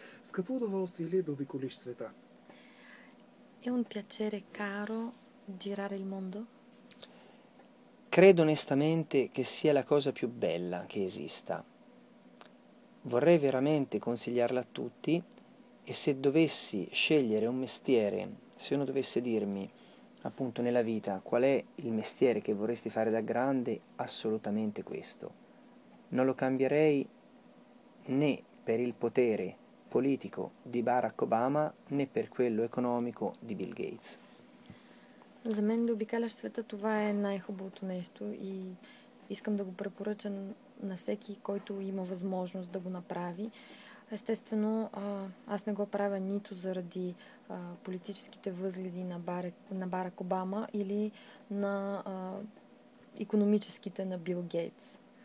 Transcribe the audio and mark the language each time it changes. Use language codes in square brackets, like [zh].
[bg] С какво удоволствие ли е да обиколиш света? [it] È un piacere caro girare il mondo? Credo onestamente che sia la cosa più bella che esista. Vorrei veramente consigliarla a tutti e se dovessi scegliere un mestiere, se uno dovesse dirmi appunto nella vita qual è il mestiere che vorresti fare da grande, assolutamente questo. Non lo cambierei né per il potere politico di Barack Obama né per quello economico di Bill Gates. [bg] За мен да обикаляш света, това е най-хубавото нещо и искам да го препоръчам на всеки, който има възможност да го направи. Естествено, аз не го правя нито заради политическите възгледи на Барак Обама или на икономическите на Бил Гейтс.